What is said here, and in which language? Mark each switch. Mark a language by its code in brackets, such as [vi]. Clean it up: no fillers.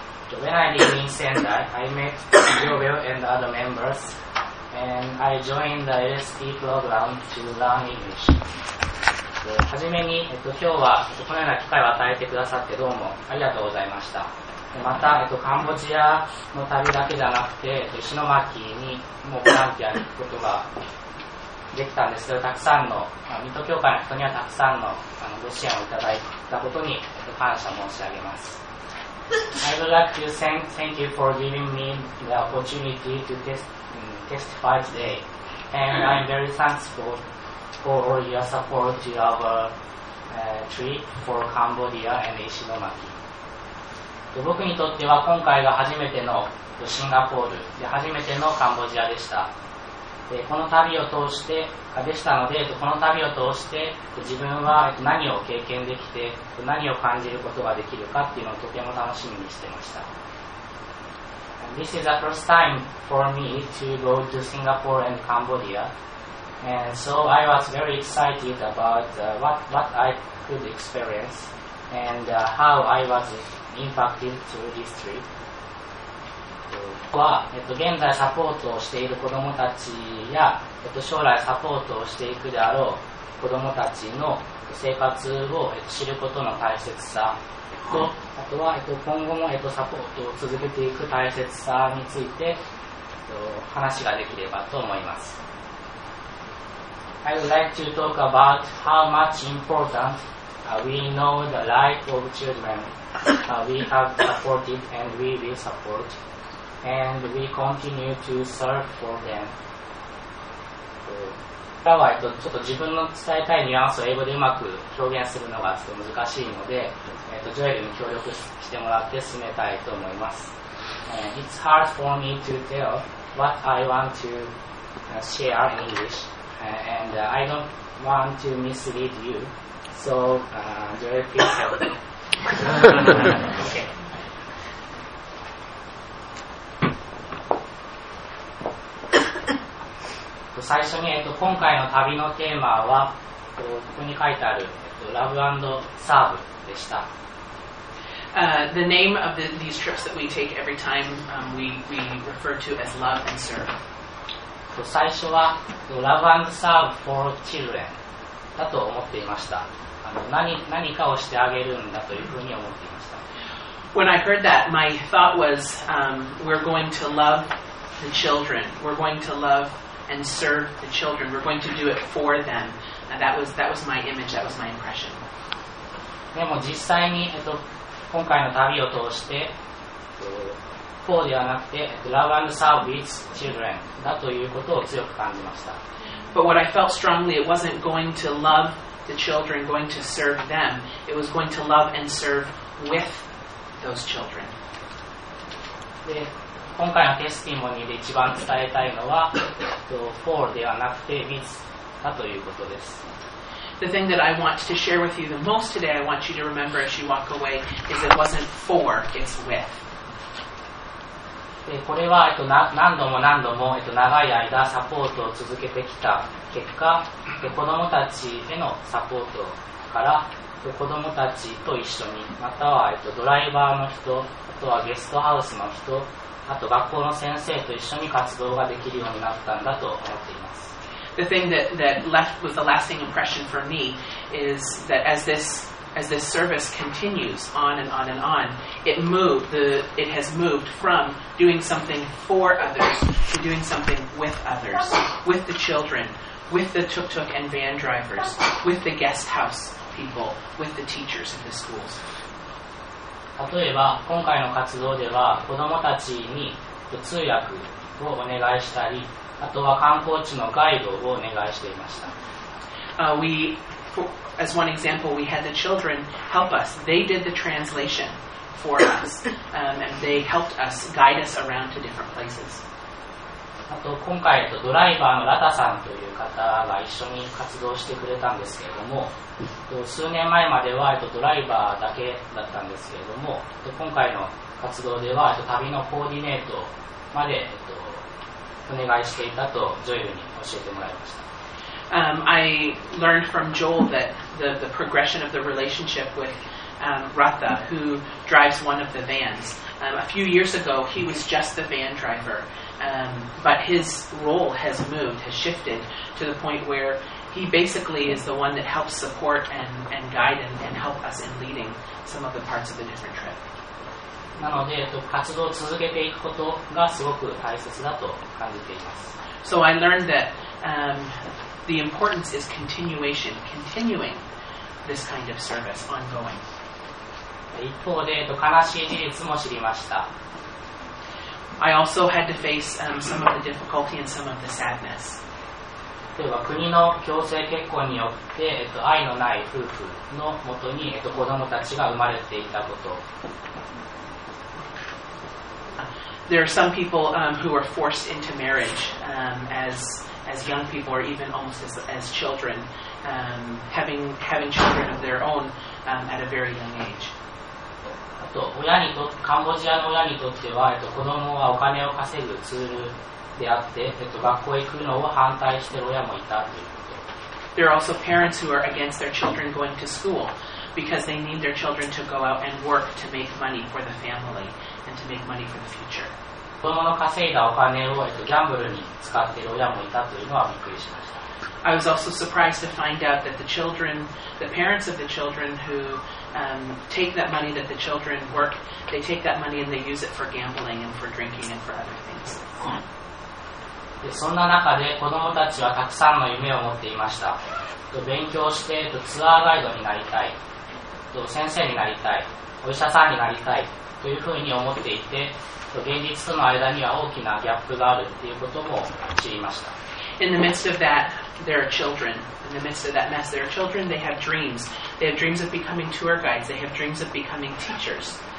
[en] When I lived in Sendai, I met Jovel and other members and I joined the LSD program to learn English [ja] はじめに、今日はこのような機会を与えてくださってどうもありがとうございました。また、カンボジアの旅だけじゃなくて、石巻にもボランティアに行くことができたんですけど、たくさんの水戸教会の人にはたくさんのご支援をいただいたことに感謝申し上げます。 [en] I would like to thank you for giving me the opportunity to testify today and I'm very thankfulfor your support to our trip for Cambodia and 石巻。 [ja] 僕にとっては今回が初めてのシンガポールで初めてのカンボジアでした。この旅を通して自分は何を経験できて何を感じることができるかっていうのをとても楽しみにしてました。 [en] This is the first time for me to go to Singapore and CambodiaAnd so I was very excited about what I could experience and how I was impacted through this trip. [ja] は、現在サポートをしている子どもたちや、将来サポートをしていくであろう子どもたちの生活を知ることの大切さと、あとは今後もサポートを続けていく大切さについて話ができればと思います。 [en] I would like to talk about how much important we know the life of children we have supported and we will support and we continue to serve for them. [ja] 方は、ちょっと自分の伝えたいニュアンスを英語でうまく表現するのがちょっと難しいので、ジョエルに協力してもらって進めたいと思います。 [en] It's hard for me to tell what I want to share in English, and I don't want to mislead you, so Joel, please help me. Okay. [ja] と最初に、今回の旅のテーマは、ここに書いてある、Love and Serve でした。 [en] The name of these trips that we take every time we refer to as love and serve. [ja] 最初は [en] love and serve for children [ja] だと思っていました。何かをしてあげるんだというふうに思っていました。 [en] When I heard that, my thought was, we're going to love the children. We're going to love and serve the children. We're going to do it for them. That was my image. That was my impression. [ja] でも実際に今回の旅を通して、こうではなくて、 [en] Love and Serve with Children [ja] だということを強く感じました。 [en] But what I felt strongly, it wasn't going to love the children, going to serve them. It was going to love and serve with those children. [ja] で、今回のテスティモニーで一番伝えたいのは、For ではなくて With だということです。 [en] The thing that I want to share with you the most today, I want you to remember as you walk away, is it wasn't for, it's with. [ja] これは何度も何度も長い間サポートを続けてきた結果、子どもたちへのサポートから、子どもたちと一緒に、またはドライバーの人、あとはゲストハウスの人、あと学校の先生と一緒に活動ができるようになったんだと思っています。 [en] The thing that left was the lasting impression for me is that as this service continues on and on and on, it has moved from doing something for others to doing something with others, with the children, with the tuk-tuk and van drivers, with the guest house people, with the teachers in the schools. [ja] 例えば今回の活動では子どもたちに通訳をお願いしたり、あとは観光地のガイドをお願いしていました。 [en] As one example, we had the children help us. They did the translation for us, and they helped us guide us around to different places. [ja] あと今回ドライバーのラタさんという方が一緒に活動してくれたんですけれども、数年前まではドライバーだけだったんですけれども、今回の活動では旅のコーディネートまで。 [en] I learned from Joel that the progression of the relationship with Ratha, who drives one of the vans. A few years ago, he was just the van driver, but his role has shifted to the point where he basically is the one that helps support and guide and help us in leading some of the parts of the different trip. [ja] なので、活動を続けていくことがすごく大切だと感じています。 [en] So I learned that, the importance is continuation, continuing this kind of service, ongoing. [ja] 一方で、悲しい事実も知りました。 [en] I also had to face, some of the difficulty and some of the sadness. [ja] 例えば、国の強制結婚によって、愛のない夫婦のもとに、子供たちが生まれていたこと。 [en] There are some people who are forced into marriage as young people or even almost as children, having children of their own at a very young age. [ja] あと親にとカンボジアの親にとっては子供はお金を稼ぐツールであって学校へ行くのを反対してる親もいたということ。 [en] There are also parents who are against their children going to school because they need their children to go out and work to make money for the family. And to make money for the future. [ja] 子供の稼いだお金をギャンブルに使っている親もいたというのはびっくりしました。 [en] I was also surprised to find out that the parents of the children who take that money that the children work, they take that money and they use it for gambling and for drinking and for other things. [ja] で、そんな中で子供たちはたくさんの夢を持っていました。勉強してツアーガイドになりたい、先生になりたい、お医者さんになりたい。というふうに思っていて、現実との間には大きなギャップがあるということも知りました。 [en] in the midst of that, there are children. In the midst of that mess, there are children. They have dreams. They have dreams of becoming tour guides. They have dreams of becoming teachers.